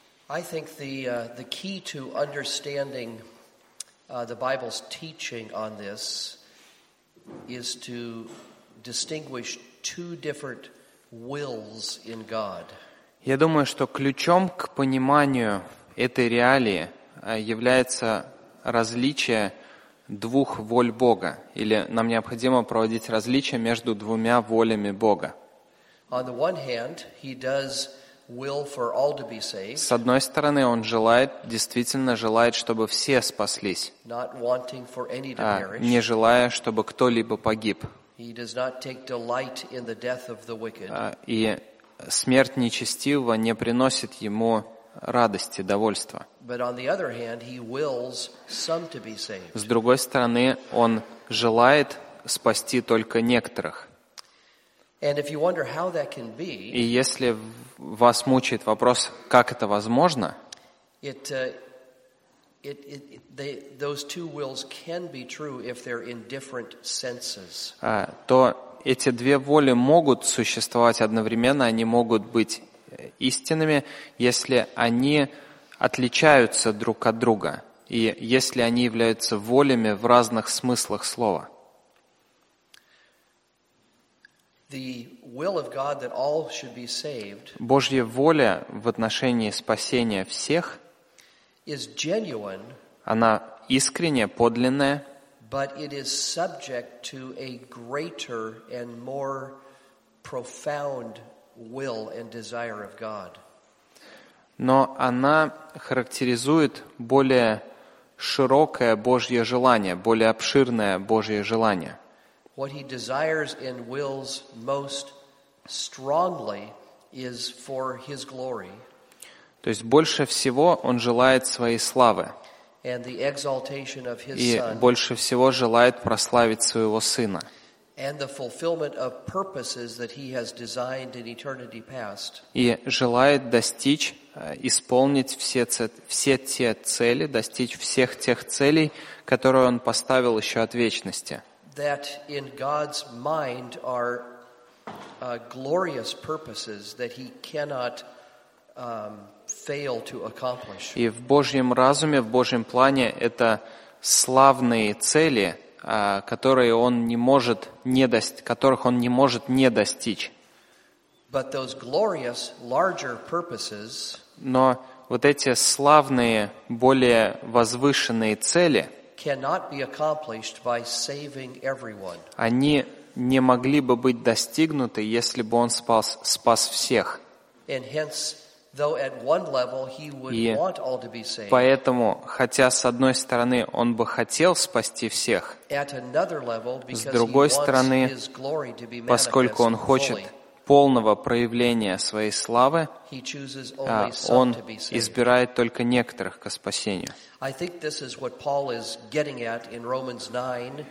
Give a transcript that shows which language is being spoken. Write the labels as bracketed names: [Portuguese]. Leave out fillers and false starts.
[English] I think the key to understanding the Bible's teaching on this is to distinguish two different wills in God. [Russian] Я думаю, что ключом к пониманию этой реалии является различие двух воль Бога, или нам необходимо проводить различие между двумя волями Бога. [English] On the one hand, he does will for all to be saved. [Russian] С одной стороны, он желает, действительно желает, чтобы все спаслись. [English] Not wanting for any to perish. [Russian] Не желая, чтобы кто-либо погиб. [English] He does not take delight in the death of the wicked. [Russian] И смерть нечестивого не приносит ему радости, довольства. [English] But on the other hand, he wills some to be saved. [Russian] С другой стороны, он желает спасти только некоторых. [English] And if you wonder how that can be, [Russian] и если вас мучает вопрос, как это возможно, [English] those two wills can be true if they're in different senses. [Russian] То эти две воли могут существовать одновременно, они могут быть истинными, если они отличаются друг от друга, и если они являются волями в разных смыслах слова. [English] The will of God that all should be saved. [Russian] Божья воля в отношении спасения всех. [English] Is genuine. [Russian] Она искренняя, подлинная. [English] But it is subject to a greater and more profound will and desire of God. [Russian] Но она характеризует более широкое Божье желание, более обширное Божье желание. [English] What he desires and wills most strongly is for his glory. [Russian] То есть больше всего он желает своей славы. [English] And the exaltation of his son. [Russian] И больше всего желает прославить своего сына. [English] And the fulfillment of purposes that he has designed in eternity past. [Russian] И желает достичь, исполнить все те цели, достичь всех тех целей, которые он поставил еще от вечности. [English] That in God's mind are glorious purposes that he cannot fail to accomplish. [Russian] И в Божьем разуме, в Божьем плане это славные цели, которых он не может не достичь. [English] But those glorious larger purposes. [Russian] Но вот эти славные, более возвышенные цели. [English] Cannot be accomplished by saving everyone. [Russian] Они не могли бы быть достигнуты, если бы он спас всех. [English] And hence, though at one level he would want all to be saved. [Russian] Поэтому, хотя с одной стороны он бы хотел спасти всех, [English] at another level, [Russian] с другой стороны, [English] he wants his glory to be [Russian] поскольку он хочет полного проявления своей славы, [English] he chooses only [Russian] он [English] some to be saved. [Russian] Избирает только некоторых ко спасению. [English] I think this is what Paul is getting at in Romans 9.